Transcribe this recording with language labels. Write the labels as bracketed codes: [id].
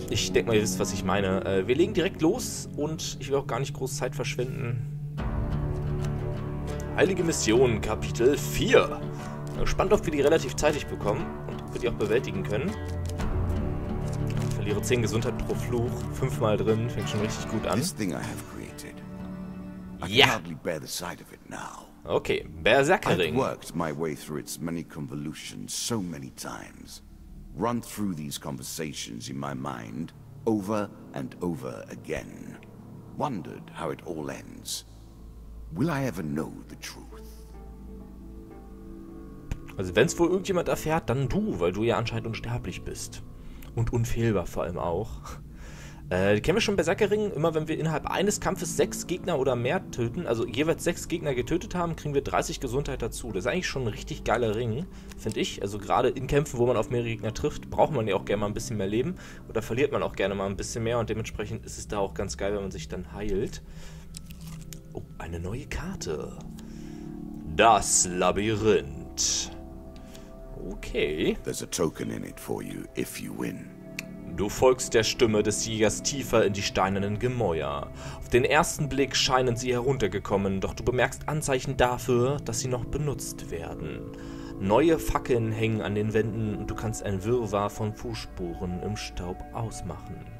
[de] Ich denke mal, ihr wisst, was ich meine. Wir legen direkt los und ich will auch gar nicht groß Zeit verschwenden. Heilige Mission, Kapitel 4. Ich bin gespannt, ob wir die relativ zeitig bekommen und ob wir die auch bewältigen können. Ihre 10 Gesundheit pro Fluch, 5-mal drin, fängt schon richtig gut an. [en] This thing I have created, I can hardly bear the sight of it now. Okay, Berserkerring. I've worked my way through its many convolutions so many times. Run through these conversations in my mind, over and over again. Wondered how it all ends. Will I ever know the truth? [de] Also wenn es wohl irgendjemand erfährt, dann du, weil du ja anscheinend unsterblich bist. Und unfehlbar vor allem auch. Kennen wir schon Berserkerring? Immer wenn wir innerhalb eines Kampfes 6 Gegner oder mehr töten, also jeweils 6 Gegner getötet haben, kriegen wir 30 Gesundheit dazu. Das ist eigentlich schon ein richtig geiler Ring, finde ich. Also gerade in Kämpfen, wo man auf mehrere Gegner trifft, braucht man ja auch gerne mal ein bisschen mehr Leben. Oder verliert man auch gerne mal ein bisschen mehr. Und dementsprechend ist es da auch ganz geil, wenn man sich dann heilt. Oh, eine neue Karte. Das Labyrinth. Okay. [en] There's a token in it for you, if you win. [de] Du folgst der Stimme des Jägers tiefer in die steinernen Gemäuer. Auf den ersten Blick scheinen sie heruntergekommen, doch du bemerkst Anzeichen dafür, dass sie noch benutzt werden. Neue Fackeln hängen an den Wänden und du kannst ein Wirrwarr von Fußspuren im Staub ausmachen.